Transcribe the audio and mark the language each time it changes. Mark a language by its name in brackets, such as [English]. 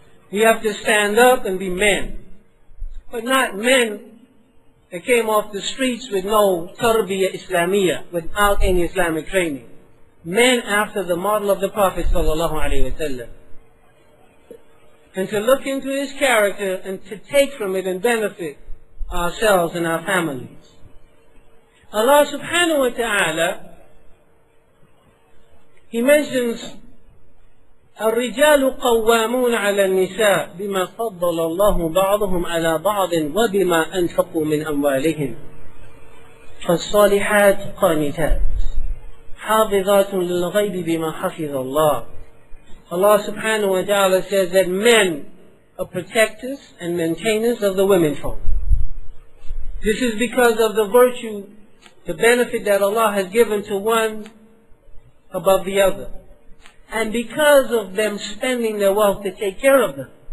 [English] We have to stand up and be men, but not men that came off the streets with no tarbiyah islamiyah, without any Islamic training. Men after the model of the Prophet sallallahu alaihi wasallam. And to look into his character and to take from it and benefit ourselves and our families. Allah subhanahu wa ta'ala, he mentions, [Arabic] الرجال قوامون على النساء بما فضل الله بعضهم على بعض وبما أنفقوا من أموالهم فالصالحات قانتات حافظات للغيب بما حفظ الله. [English] Allah subhanahu wa ta'ala says that men are protectors and maintainers of the women folk. This is because of the virtue, the benefit that Allah has given to one above the other, and because of them spending their wealth to take care of them.